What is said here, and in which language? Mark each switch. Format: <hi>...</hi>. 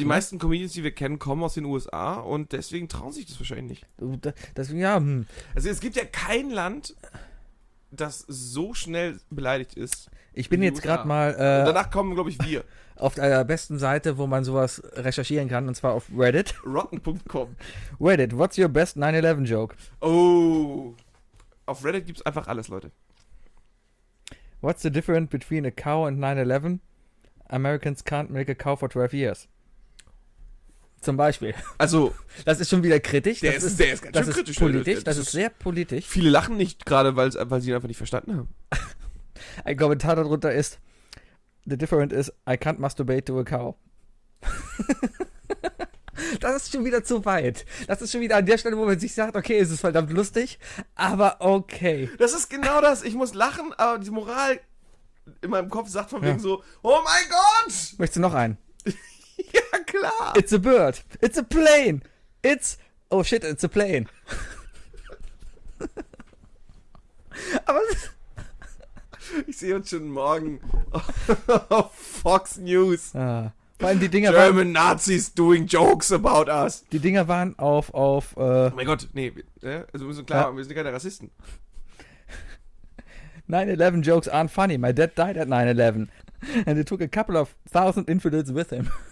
<de>Aber die meisten Comedians, die wir kennen, kommen aus den USA und deswegen trauen sich das wahrscheinlich nicht. Also es gibt ja kein Land, das so schnell beleidigt ist. Ich bin jetzt gerade mal danach kommen, glaube ich, wir. Auf der besten Seite, wo man sowas recherchieren kann, und zwar auf Reddit. Rotten.com.</de> <en>Reddit, what's your best 9-11-Joke?</en> <de>Oh, auf Reddit gibt's einfach alles, Leute.</de> <en>What's the difference between a cow and 9-11? Americans can't milk a cow for 12 years.</en> <de>Zum Beispiel. Also. Das ist schon wieder kritisch. Der ist ganz schön ist kritisch. Politisch. Das ist sehr politisch. Viele lachen nicht gerade, weil sie ihn einfach nicht verstanden haben. Ein Kommentar darunter ist,</de> <en>the difference is, I can't masturbate to a cow.</en> <de>Das ist schon wieder zu weit. Das ist schon wieder an der Stelle, wo man sich sagt, okay, es ist verdammt lustig, aber okay. Das ist genau das. Ich muss lachen, aber die Moral in meinem Kopf sagt von wegen so, oh mein Gott! Möchtest du noch einen? Ja, klar.</de> <en>It's a bird. It's a plane. Oh shit, it's a plane.</en> <de>Aber ich sehe uns schon morgen auf Fox News. Ah. Vor allem die Dinger</de> <en>German</en> <de>waren,</de> <en>Nazis doing jokes about us.</en> <de>Die Dinger waren auf. Oh mein Gott, nee. Also wir müssen klar machen, wir sind keine Rassisten.</de> <en>9-11 jokes aren't funny. My dad died at 9-11. And he took a couple of thousand infidels with him.</en>